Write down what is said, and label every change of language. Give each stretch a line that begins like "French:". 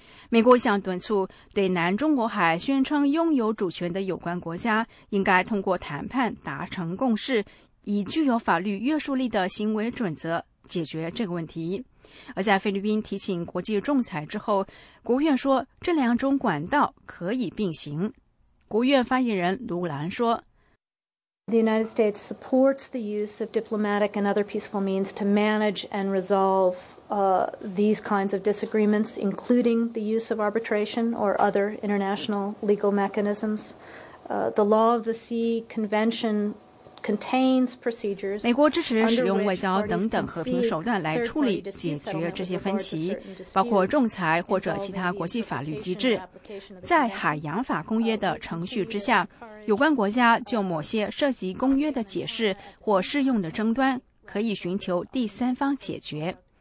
Chinese: 美国想敦促对南中国海宣称拥有主权的有关国家，应该通过谈判达成共识，以具有法律约束力的行为准则解决这个问题。而在菲律宾提请国际仲裁之后，国务院说这两种管道可以并行。国务院发言人卢兰说，
English: The United States supports the use of diplomatic and other peaceful means to manage and resolve these kinds of disagreements, including the use of arbitration or other international legal mechanisms. The Law of the Sea Convention contains procedures.
Chinese: 美国支持使用外交等等和平手段来处理解决这些分歧，包括仲裁或者其他国际法律机制。在海洋法公约的程序之下，有关国家就某些涉及公约的解释或适用的争端可以寻求第三方解决。